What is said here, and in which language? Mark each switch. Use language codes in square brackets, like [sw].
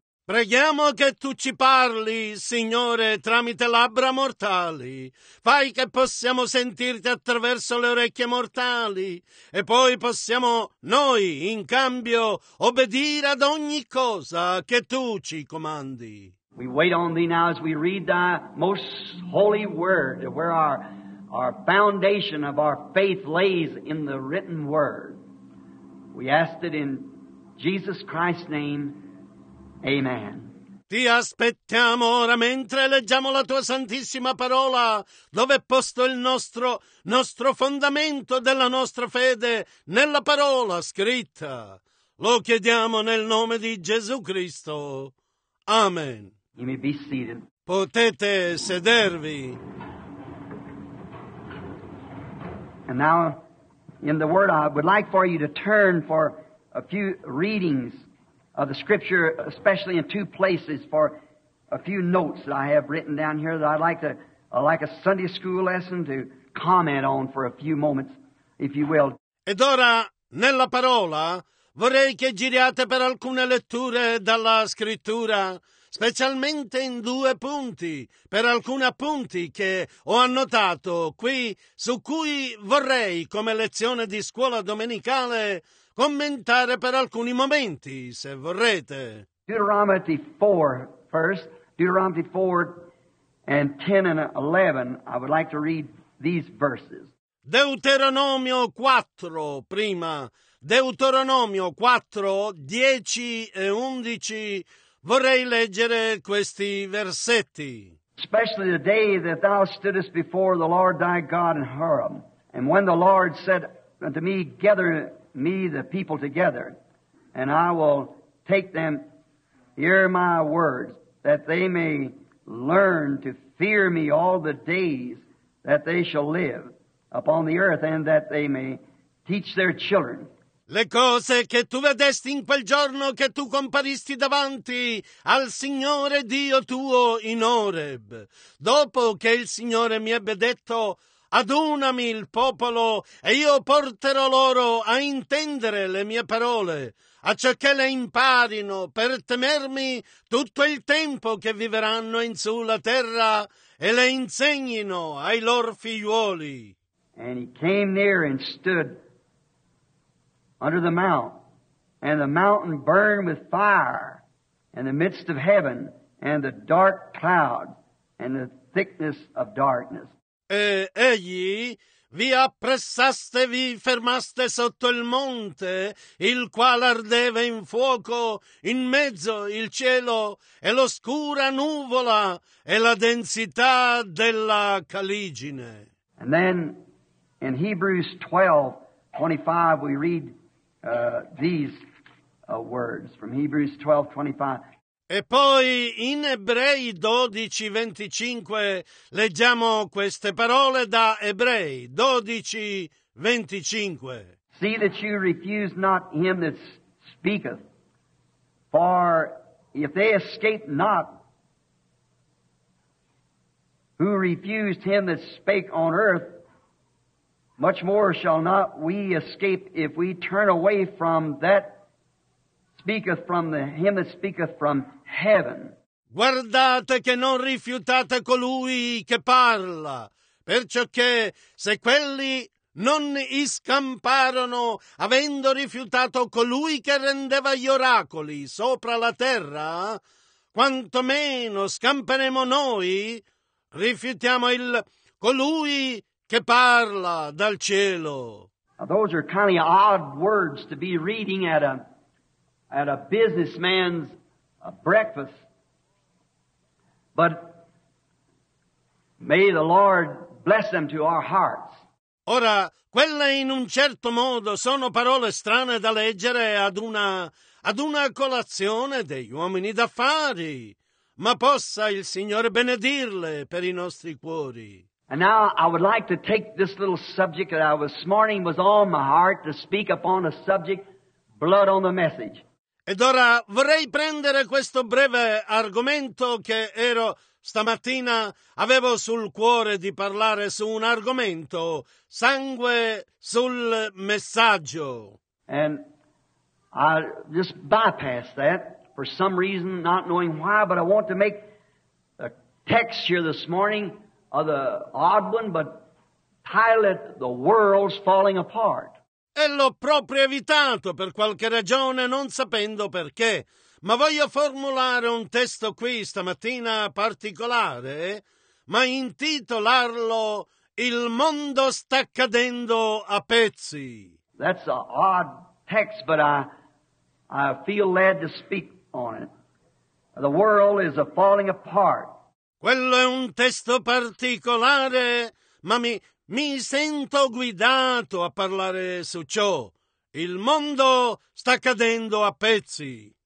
[it] Preghiamo che Tu ci parli, Signore, tramite labbra mortali. Fai che possiamo sentirti attraverso le orecchie mortali e poi possiamo noi, in cambio, obbedire ad ogni cosa che Tu ci comandi. [en] We wait on Thee now as we read Thy most holy word, where our foundation of our faith lays in the written word. We ask it in Jesus Christ's name. Amen. [it] Ti aspettiamo ora mentre leggiamo la tua santissima parola, dove è posto il nostro fondamento della nostra fede nella parola scritta. Lo chiediamo nel nome di Gesù Cristo. Amen. [en] You may be seated. [it] Potete sedervi. [en] And now in the word I would like for you to turn for a few readings of the scripture, especially in two places, for a few notes that I have written down here that I'd like to, like a Sunday school lesson, to comment on for a few moments, if you will. [it] Ed ora, nella parola, vorrei che giriate per alcune letture dalla scrittura, specialmente in due punti, per alcuni appunti che ho annotato qui, su cui vorrei, come lezione di scuola domenicale, commentare per alcuni momenti, se vorrete. [en] Deuteronomy 4, first. Deuteronomy 4 and 10 and 11. I would like to read these verses. [it] Deuteronomio 4, prima. Deuteronomio 4, 10 e 11. Vorrei leggere questi versetti. [en] Especially the day that thou stoodest before the Lord thy God in Horeb. And when the Lord said unto me, gather me the people together, and I will take them, hear my words, that they may learn to fear me all the days that they shall live upon the earth, and that they may teach their children. [it] Le cose che tu vedesti in quel giorno che tu comparisti davanti al Signore Dio tuo in Horeb, dopo che il Signore mi ebbe detto, adunami il popolo e io porterò loro a intendere le mie parole, acciocché le imparino per temermi tutto il tempo che viveranno in sulla terra e le insegnino ai loro figliuoli. [en] And he came near and stood under the mount, and the mountain burned with fire in the midst of heaven, and the dark cloud and the thickness of darkness. [it] E egli vi appressaste, vi fermaste sotto il monte, il quale ardeva in fuoco, in mezzo il cielo e l'oscura nuvola e la densità della caligine. [en] And then in Hebrews 12:25 we read these words from Hebrews 12:25. [it] E poi in Ebrei 12, 25 leggiamo queste parole da Ebrei 12, 25. [en] See that you refuse not him that speaketh, for if they escape not, who refused him that spake on earth, much more shall not we escape if we turn away from that speaketh from the him that speaketh from heaven. [it] Guardate che non rifiutate colui che parla, perciò che se quelli non iscamparono, avendo rifiutato colui che rendeva gli oracoli sopra la terra, quantomeno scamperemo noi, rifiutiamo il colui che parla dal cielo. [en] Now those are kind of odd words to be reading at a businessman's breakfast. But may the Lord bless them to our hearts. [it] Ora, quelle in un certo modo sono parole strane da leggere ad una colazione degli uomini d'affari, ma possa il Signore benedirle per i nostri cuori. [en] And now I would like to take this little subject that I was this morning was on my heart to speak upon a subject, blood on the message. [it] Ed ora vorrei prendere questo breve argomento che ero stamattina, avevo sul cuore di parlare su un argomento, sangue sul messaggio. [en] And I just bypassed that for some reason, not knowing why, but I want to make a text here this morning of the odd one, but title it, The World's Falling Apart. [it] E l'ho proprio evitato per qualche ragione, non sapendo perché. Ma voglio formulare un testo qui stamattina particolare, ma intitolarlo Il mondo sta cadendo a pezzi. [en] That's an odd text, but I feel led to speak on it. The world is a falling apart. [it] Quello è un testo particolare, ma mi sento guidato a parlare su ciò. Il mondo sta cadendo a pezzi.